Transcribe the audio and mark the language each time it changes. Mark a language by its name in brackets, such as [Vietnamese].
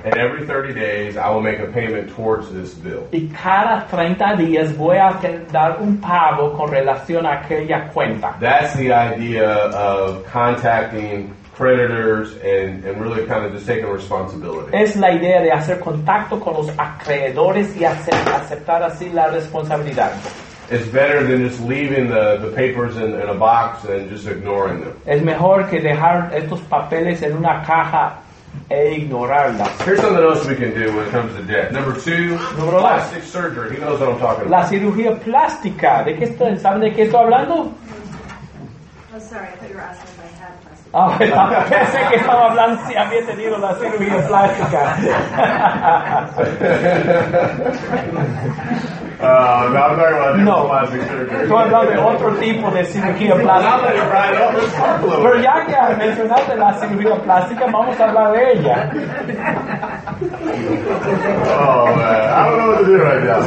[English] And every 30 days, I will make a payment towards this bill. [Spanish] Y cada 30 días voy a dar un pago con relación a aquella cuenta. [English] That's the idea of contacting creditors and really kind of just taking responsibility. [Spanish] Es la idea de hacer contacto con los acreedores y aceptar así la responsabilidad. [English] It's better than just leaving the papers in a box and just ignoring them. [Spanish] Es mejor que dejar estos papeles en una caja e ignorarla. [English] Here's something else we can do when it comes to debt. Number two, plastic surgery. He knows what I'm talking about. [Spanish] La cirugía plástica. ¿De qué estoy, ¿saben de qué estoy hablando? [English] Oh, sorry, I thought you were asking about. [Spanish] Pensé que estaba hablando si había tenido la cirugía plástica. [English] No, I'm talking about no. Plastic surgery. [Spanish] Estoy hablando de otro tipo de cirugía plástica. Pero ya que mencionaste la cirugía plástica, vamos a hablar de ella. [English] Oh, man. I don't know what to do right now.